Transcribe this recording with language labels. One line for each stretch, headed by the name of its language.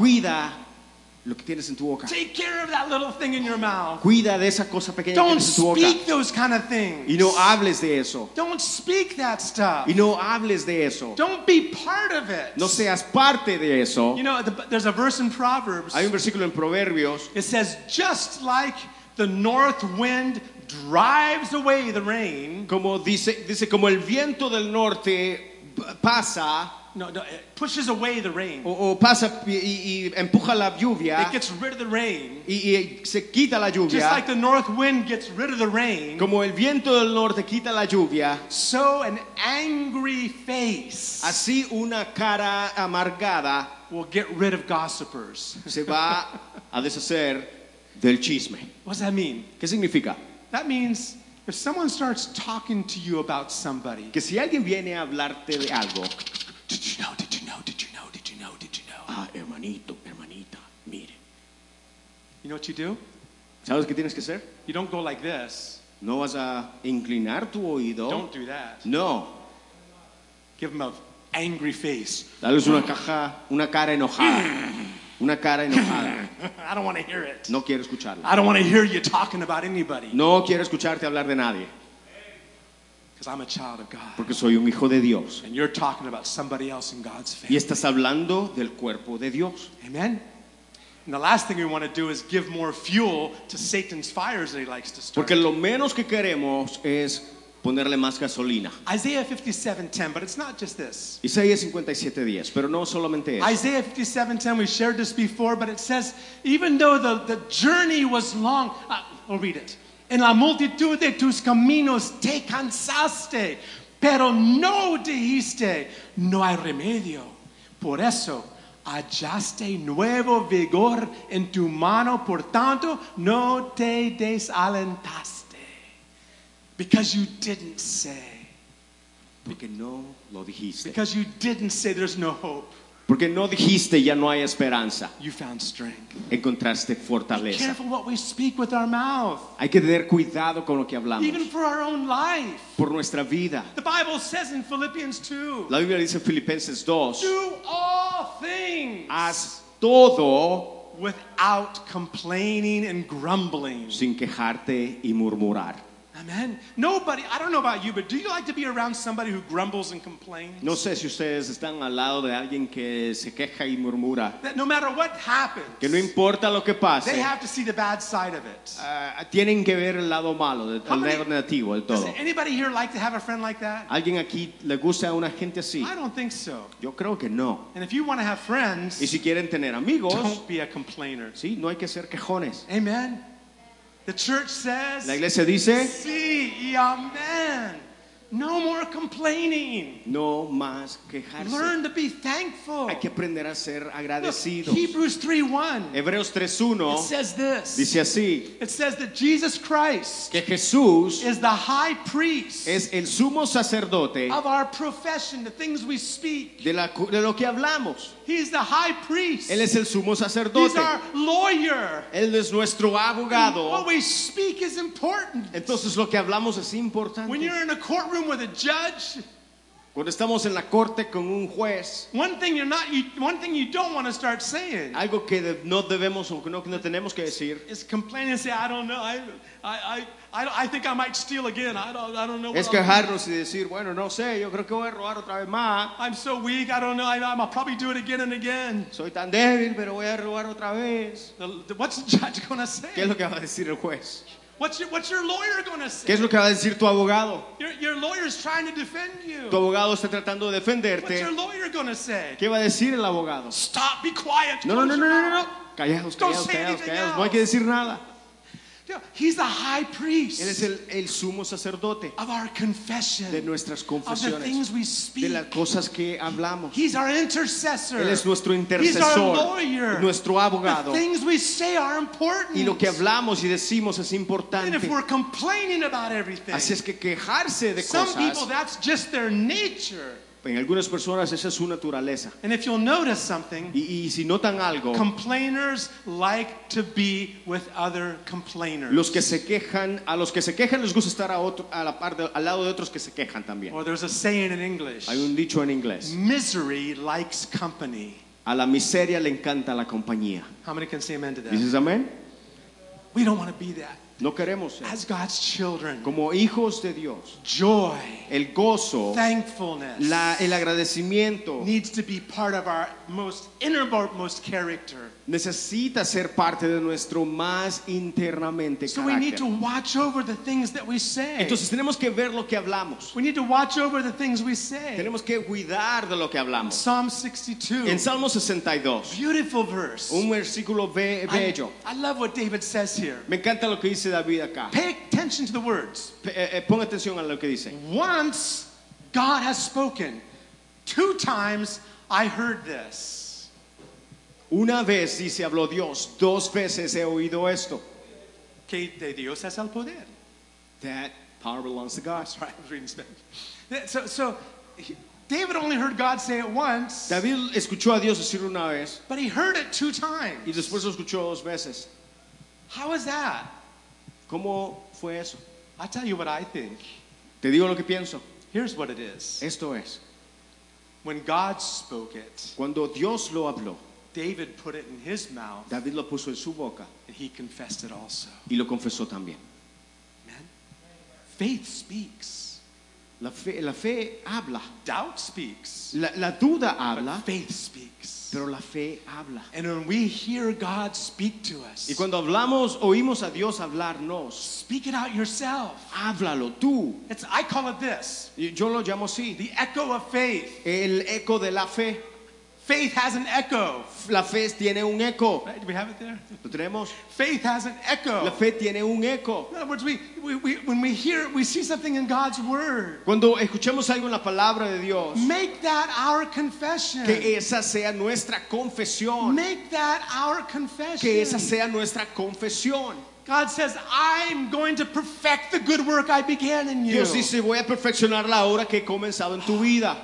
Spanish: Cuida lo que tienes en tu boca.
English: Take care of that little thing in your mouth.
Spanish: Cuida de esa cosa pequeña
English: don't
Spanish: que tienes en tu
English: speak
Spanish: boca.
English: Those kind of things.
Spanish: Y no hables de eso.
English: Don't speak that stuff.
Spanish: Y no hables de eso.
English: Don't be part of it.
Spanish: No seas parte de eso.
English: You know, there's a verse in Proverbs.
Spanish: Hay un versículo en Proverbios.
English: It says, just like the north wind drives away the rain.
Spanish: Como dice como el viento del norte pasa.
English: No, it pushes away the rain.
Spanish: O pasa y empuja la lluvia.
English: It gets rid of the rain.
Spanish: Y se quita la lluvia.
English: Just like the north wind gets rid of the rain.
Spanish: Como el viento del norte quita la lluvia.
English: So an angry face.
Spanish: Así una cara amargada.
English: Will get rid of gossipers.
Spanish: Se va a deshacer del chisme.
English: What does that mean?
Spanish: ¿Qué significa?
English: That means if someone starts talking to you about somebody.
Spanish: Que si alguien viene a hablarte de algo.
English: Did you know, did you know, did you know, did you know, did you know?
Spanish: Ah, hermanito, hermanita, mire.
English: You know what you do?
Spanish: ¿Sabes qué tienes que hacer?
English: You don't go like this.
Spanish: No vas a inclinar tu oído.
English: Don't do that.
Spanish: No.
English: Give him an angry face.
Spanish: Dales una cara enojada. Una cara enojada.
English: I don't want to hear it.
Spanish: No quiero escucharlo.
English: I don't want to hear you talking about anybody.
Spanish: No quiero escucharte hablar de nadie.
English: Because I'm a child of God.
Spanish: Porque soy un hijo de Dios.
English: And you're talking about somebody else in God's family.
Spanish: Y estás hablando del cuerpo de Dios.
English: Amen. And the last thing we want to do is give more fuel to Satan's fires that he likes to start.
Spanish: Porque lo menos que queremos es ponerle más gasolina.
English: Isaiah 57:10, but it's not just this.
Spanish: Isaías 57:10, pero no solamente eso.
English: Isaiah 57:10, we shared this before, but it says, even though the journey was long, I'll read it.
Spanish: En la multitud de tus caminos te cansaste, pero no dijiste, no hay remedio. Por eso hallaste nuevo vigor en tu mano, por tanto no te desalentaste.
English: Because you didn't say.
Spanish: Porque no lo dijiste.
English: Because you didn't say there's no hope.
Spanish: Porque no dijiste ya no hay esperanza.
English: You found strength.
Spanish: Encontraste fortaleza.
English: Be careful what we speak with our mouth.
Spanish: Hay que tener cuidado con lo que hablamos.
English: Even for our own life.
Spanish: Por nuestra vida.
English: The Bible says in Philippians 2.
Spanish: La Biblia dice en Filipenses 2.
English: Do all things.
Spanish: Haz todo.
English: Without complaining and grumbling.
Spanish: Sin quejarte y murmurar.
English: Amen. Nobody, I don't know about you, but do you like to be around somebody who grumbles and complains?
Spanish: No sé si ustedes están al lado de alguien que se queja y murmura.
English: That no matter what happens.
Spanish: Que no importa lo que pase.
English: They have to see the bad side of it.
Spanish: Tienen que ver el lado malo, el lado negativo, el todo.
English: Does anybody here like to have a friend like that?
Spanish: ¿Alguien aquí le gusta a una gente así?
English: I don't think so.
Spanish: Yo creo que no.
English: And if you want to have friends,
Spanish: y si quieren tener amigos,
English: don't be a complainer.
Spanish: Sí, no hay que ser quejones.
English: Amen. The church says,
Spanish: la iglesia dice,
English: sí, y amen. No more complaining.
Spanish: No más quejarse.
English: Learn to be thankful.
Spanish: Hay que aprender a ser agradecidos.
English: Look, Hebrews 3:1.
Spanish: Hebreos 3:1.
English: It says this.
Spanish: Dice así.
English: It says that Jesus Christ,
Spanish: que Jesús,
English: is the high priest,
Spanish: es el sumo sacerdote,
English: of our profession, the things we speak,
Spanish: de lo que hablamos.
English: He's the high priest.
Spanish: Él es el sumo sacerdote.
English: He's our lawyer.
Spanish: Él es nuestro abogado.
English: And what we speak is important.
Spanish: Entonces lo que hablamos es importante.
English: When you're in a courtroom with a judge,
Spanish: cuando estamos en la corte con un juez,
English: one thing you don't want to start saying,
Spanish: algo que no debemos o no, no tenemos que decir,
English: is complaining and say, I don't know, I think I might steal again. I don't know.
Spanish: Es quejarnos y decir, bueno, no sé, yo creo que voy a robar otra vez más.
English: I'm so weak, I don't know. I'll probably do it again and again.
Spanish: Soy tan débil, pero voy a robar otra vez.
English: What's the judge gonna say?
Spanish: ¿Qué es lo que va a decir el juez?
English: What's your lawyer gonna say?
Spanish: ¿Qué es lo que va a decir tu abogado?
English: Your lawyer is trying to defend you.
Spanish: Tu abogado está tratando de defenderte.
English: What's your lawyer gonna say?
Spanish: ¿Qué va a decir el abogado?
English: Stop, be quiet.
Spanish: No. Callados. No hay que decir nada.
English: He's the high priest.
Spanish: Él es el sumo sacerdote.
English: Of our confession.
Spanish: De nuestras confesiones.
English: Of the things we speak.
Spanish: De las cosas que hablamos.
English: He's our intercessor.
Spanish: Él es nuestro intercesor.
English: He's our lawyer.
Spanish: Nuestro abogado.
English: The things we say are important.
Spanish: Y lo que hablamos y decimos es importante.
English: And if we're complaining about everything.
Spanish: Así es que quejarse de cosas.
English: Some people, that's just their nature.
Spanish: En algunas personas esa es su naturaleza.
English: And if you'll notice something,
Spanish: y si notan algo,
English: complainers like to be with other complainers.
Spanish: Los que se quejan, a los que se quejan les gusta estar al lado de otros que se quejan también.
English: Or there's a saying in English.
Spanish: Hay un dicho en inglés.
English: Misery likes company.
Spanish: A la miseria le encanta la compañía.
English: How many can say amen to that?
Spanish: Dices amén.
English: We don't want to be that.
Spanish: No queremos ser.
English: As God's children,
Spanish: como hijos de Dios,
English: joy,
Spanish: el gozo,
English: thankfulness,
Spanish: el agradecimiento,
English: needs to be part of our most innermost character.
Spanish: Necesita ser parte de nuestro más internamente carácter.
English: So we need to watch over the things that we say.
Spanish: Entonces tenemos que ver lo que hablamos.
English: We need to watch over the things we say.
Spanish: Tenemos que cuidar de lo que hablamos.
English: Psalm 62.
Spanish: En Salmo 62.
English: Beautiful verse.
Spanish: Un versículo bello.
English: I love what David says here.
Spanish: Me encanta lo que dice David acá.
English: Pay attention to the words.
Spanish: Pon atención a lo que dice.
English: Once God has spoken, two times I heard this.
Spanish: Una vez, dice, habló Dios, dos veces he oído esto. Que de Dios es el poder.
English: That power belongs to God. That's right, I was reading Spanish. So David only heard God say it once.
Spanish: David escuchó a Dios decirlo una vez.
English: But he heard it two times.
Spanish: Y después lo escuchó dos veces.
English: How is that?
Spanish: ¿Cómo fue eso?
English: I'll tell you what I think.
Spanish: Te digo lo que pienso.
English: Here's what it is.
Spanish: Esto es.
English: When God spoke it.
Spanish: Cuando Dios lo habló.
English: David put it in his mouth.
Spanish: David lo puso en su boca.
English: And he confessed it also.
Spanish: Y lo confesó también.
English: Amen. Faith speaks.
Spanish: La fe habla.
English: Doubt speaks.
Spanish: La duda habla.
English: But faith speaks.
Spanish: Pero la fe habla.
English: And when we hear God speak to us,
Spanish: y cuando hablamos, oímos a Dios hablarnos.
English: Speak it out yourself.
Spanish: Háblalo tú.
English: It's, I call it this.
Spanish: Yo lo llamo así.
English: The echo of faith.
Spanish: El eco de la fe.
English: Faith has an echo.
Spanish: La fe tiene un eco.
English: Do we have it there?
Spanish: Lo tenemos.
English: Faith has an echo.
Spanish: La fe tiene un eco.
English: In other words, when we see something in God's word.
Spanish: Cuando escuchemos algo en la palabra de Dios.
English: Make that our confession.
Spanish: Que esa sea nuestra confesión.
English: Make that our confession.
Spanish: Que esa sea nuestra confesión.
English: God says, "I'm going to perfect the good work I began in you."
Spanish: Dios dice, voy a perfeccionar la obra que he comenzado en tu vida.